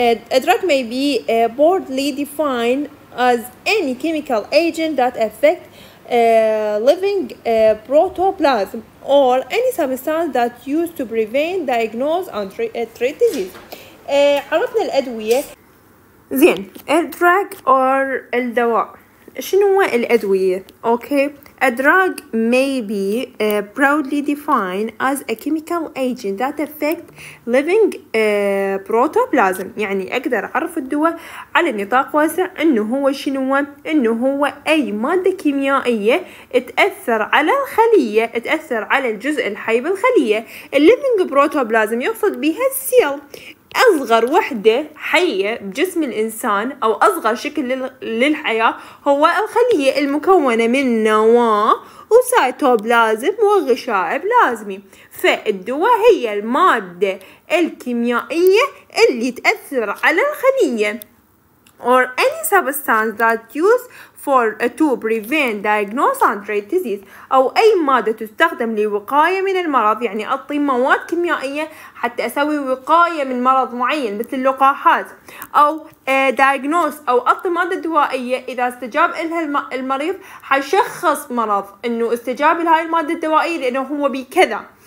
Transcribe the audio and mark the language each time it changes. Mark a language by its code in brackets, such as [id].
[en] Drug may be broadly defined as any chemical agent that affect living protoplasm or any substance that used to prevent diagnose and treat disease. [ar] عرفنا الادويه. زين ادراج or الدواء شنو الادويه. [en] Okay A drug may be broadly defined as a chemical agent that affects living protoplasm. [ar] يعني أقدر أعرف الدواء على نطاق واسع إنه هو شنو؟ إنه هو أي مادة كيميائية تأثر على الخلية، تأثر على الجزء الحي بالخلية. Living protoplasm يقصد بها السيل، أصغر وحدة حية بجسم الإنسان أو أصغر شكل للحياة هو الخلية المكونة من نواة وسيتوبلازم وغشاء بلازمي. فالدواء هي المادة الكيميائية اللي تأثر على الخلية. [en] Or any substance that used for to prevent diagnose and treat disease. [ar] أو أي مادة تستخدم لوقاية من المرض، يعني أعطي مواد كيميائية حتى أسوي وقاية من مرض معين مثل اللقاحات، أو diagnose أو أعطي مادة دوائية إذا استجاب لها المريض حشخص مرض إنه استجاب لهاي المادة الدوائية لأنه هو بكذا.